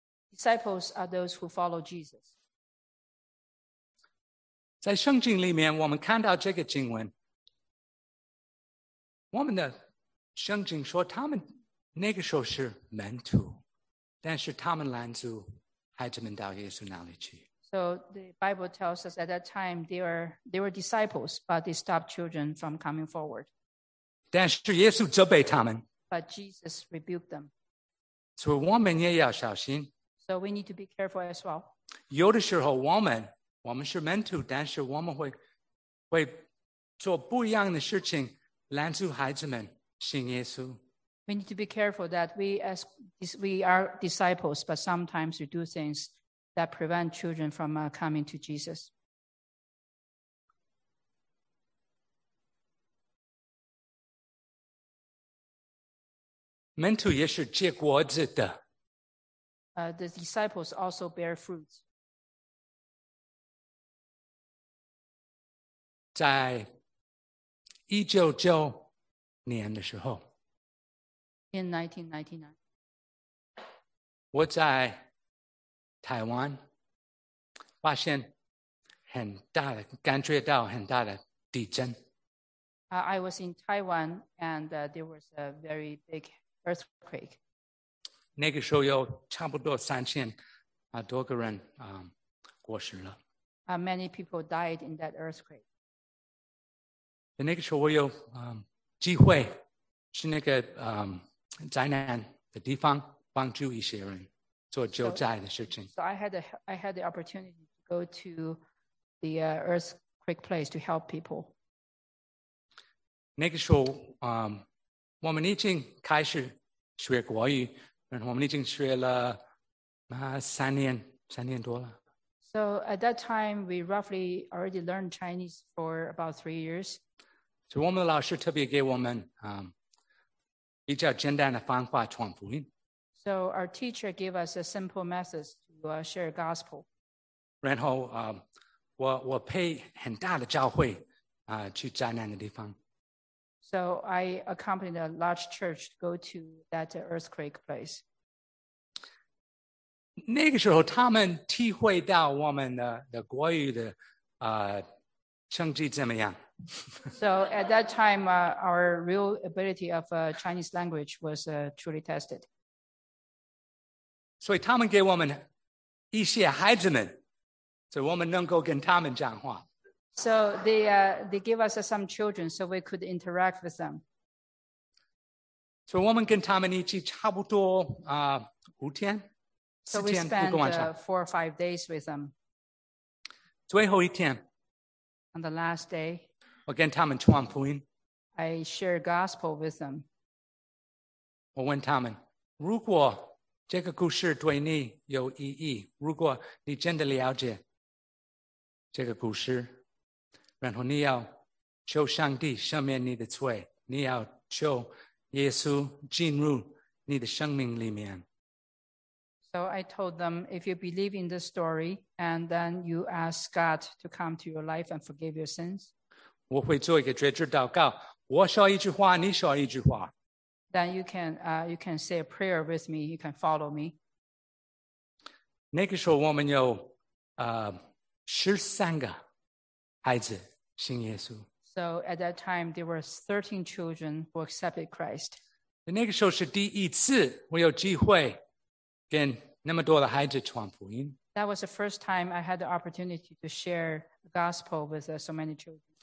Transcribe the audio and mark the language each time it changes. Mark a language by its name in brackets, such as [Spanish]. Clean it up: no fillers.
[English] Disciples are those who follow Jesus. [Chinese] 在圣经里面，我们看到这个经文。我们的圣经说，他们那个时候是门徒。但是他们拦住孩子们到耶稣那里去。 [English] So the Bible tells us at that time they were disciples, but they stopped children from coming forward. [Chinese] 但是耶稣责备他们。 [English] But Jesus rebuked them. [Chinese] 所以我们也要小心。 [English] So we need to be careful as well. [Chinese] 有的时候我们是门徒，但是我们会做不一样的事情，拦住孩子们信耶稣。 [English] We need to be careful that we are disciples, but sometimes we do things that prevent children from coming to Jesus. [Chinese] 门徒也是结果子的。 [English] The disciples also bear fruits. [Chinese] 在1999年的时候。 [English] In 1999. [Chinese] 我在台湾发现很大的感觉到很大的地震。 [English] I was in Taiwan and there was a very big earthquake. [Chinese] 那个时候有差不多3000多个人过世了。 [English] Many people died in that earthquake. [Chinese] 那个时候我有机会是那个灾难的地方帮助一些人做救灾的事情。 [English] So, I had the opportunity to go to the earthquake place to help people. [Chinese] 那个时候我们已经开始学国语然后我们已经学了3年多了。 [English] So at that time, we roughly already learned Chinese for about 3 years. [Chinese] 所以我们的老师特别给我们比较简单的方法传福音。 [English] So our teacher gave us a simple method to share gospel. [Chinese] 然后我陪很大的教会去灾难的地方。 [English] So I accompanied a large church to go to that earthquake place. [Chinese] 那个时候他们体会到我们的国语的成绩怎么样。 [English] So at that time, our real ability of Chinese language was truly tested. [Chinese] 所以他们给我们一些孩子们，所以我们能够跟他们讲话。 [English] So they give us some children so we could interact with them. [Chinese] 所以我们跟他们一起差不多五天。 [English] So we spent four or five days with them. [Chinese] 最后一天。 [English] On the last day. [Chinese] 我跟他们传福音。 [English] I share gospel with them. [Chinese] 我问他们，如果这个故事对你有意义，如果你真的了解这个故事，然后你要求上帝赦免你的罪，你要求耶稣进入你的生命里面。 [English] So I told them, if you believe in the story, and then you ask God to come to your life and forgive your sins, [Chinese] 我会做一个决志祷告，我说一句话，你说一句话。 [English] Then you can say a prayer with me, you can follow me. [Chinese] 那个时候我们有13个孩子信耶稣。 [English] So at that time, there were 13 children who accepted Christ. [Chinese] 那个时候是第一次我有机会跟那么多的孩子传福音。 [English] That was the first time I had the opportunity to share the gospel with so many children.